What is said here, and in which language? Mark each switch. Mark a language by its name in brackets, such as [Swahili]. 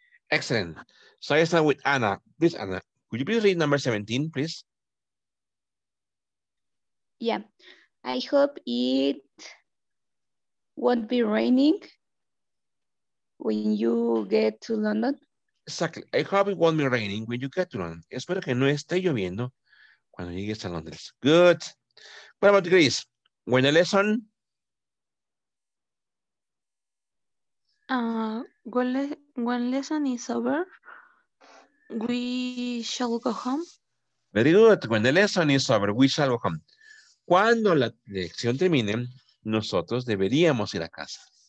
[English] Excellent. So I start with Anna. Please, Anna, could you please read number 17, please? Yeah. I hope it won't be raining when you get to London. Exactly. I hope it won't be raining when you get to London. [Spanish] Espero que no esté lloviendo cuando llegues a Londres. [English] Good. What about Greece? When a lesson? When lesson is over, we shall go home. Very good. When the lesson is over, we shall go home. [Spanish] Cuando la lección termine, nosotros deberíamos ir a casa.